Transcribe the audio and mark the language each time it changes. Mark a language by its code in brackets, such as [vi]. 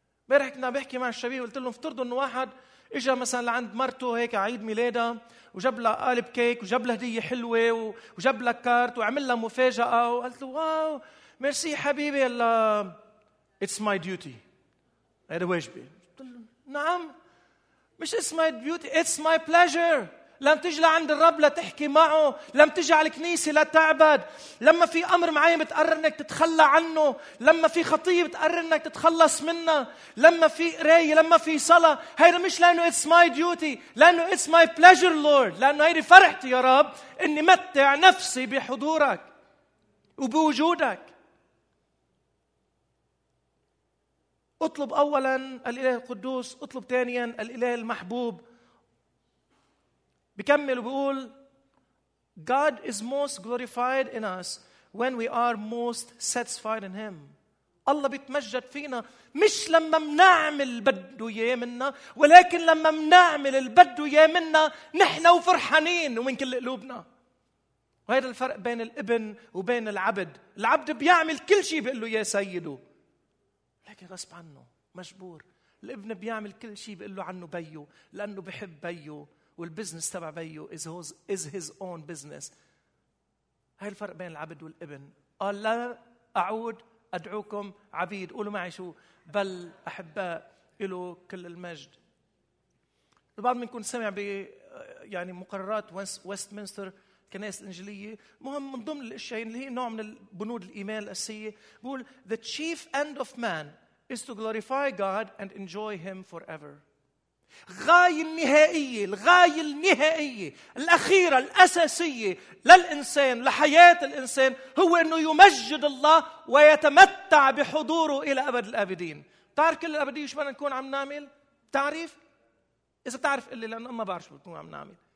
[ar] امبارح كنا بحكي مع الشبيه وقلت لهم افترضوا أنه واحد إجا مثلا لعند مرته هيك عيد ميلادها وجاب لها قالب كيك وجاب لها هدية حلوة وجاب لها كارت وعمل لها مفاجأة وقالت له واو مرسي حبيبي يلا [en] it's my duty [ar] هذا واجبي. قلت له نعم مش [en] it's my duty it's my pleasure. [ar] لم تجي لعند الرب لتحكي معه، لم تجي على الكنيسة لتعبد، لما في أمر معين بتقرر إنك تتخلى عنه، لما في خطية بتقرر إنك تتخلص منها، لما في قراية، لما في صلاة، هيدا مش لأنه [en] it's my duty، [ar] لأنه [en] it's my pleasure Lord، [ar] لأنه هيدي فرحتي يا رب إني متع نفسي بحضورك وبوجودك. أطلب أولاً الإله القدوس، أطلب ثانياً الإله المحبوب. بكمل وبيقول [en] God is most glorified in us when we are most satisfied in him. [ar] الله بيتمجد فينا مش لما منعمل بده اياه منا ولكن لما منعمل بده اياه منا نحن وفرحانين ومن كل قلوبنا. وهذا الفرق بين الابن وبين العبد. العبد بيعمل كل شيء بيقول له يا سيده لكن غصب عنه مجبور. الابن بيعمل كل شيء بيقول له عنه بيه لانه بحب بيه والبزنس تبع بيو [en] is his own business. [ar] هاي الفرق بين العبد والابن. قال لا أعود أدعوكم عبيد. قولوا معي شو بل أحباء إلو كل المجد. البعض منكم سمع ب يعني مقررات ويستمنستر كنائس الإنجيلية. مهم من ضمن الأشياء اللي هي نوع من البنود الإيمان الأساسية بقول [en] the chief end of man is to glorify God and enjoy him forever. [ar] غاية النهائية الغاية النهائية الأخيرة الأساسية للإنسان لحياة الإنسان هو أنه يمجد الله ويتمتع بحضوره إلى أبد الأبدين. تعرف كل الأبدية شو بدنا نكون عم نعمل؟ تعرف؟ إذا تعرف قل لي لأنه ما بعرف شو بدنا عم نعمل.